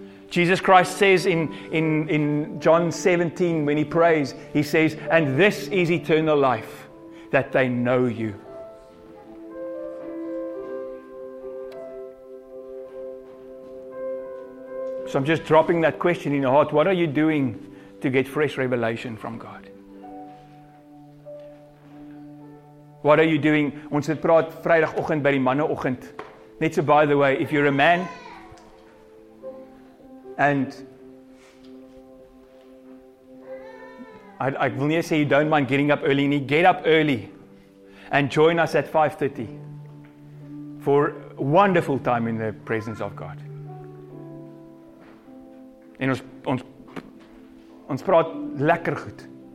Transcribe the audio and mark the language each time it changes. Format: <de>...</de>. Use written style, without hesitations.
<en>Jesus Christ says in John 17, when He prays, He says, "And this is eternal life, that they know You." So I'm just dropping that question in your heart. What are you doing to get fresh revelation from God? What are you doing?</en> <af>Ons het praat Vrydagoggend by die manneoggend.</af> <en>Net so, by the way, if you're a man, and I will not say you don't mind getting up early. You get up early and join us at 5:30 for wonderful time in the presence of God.</en> <af>En ons praat lekker goed.</af>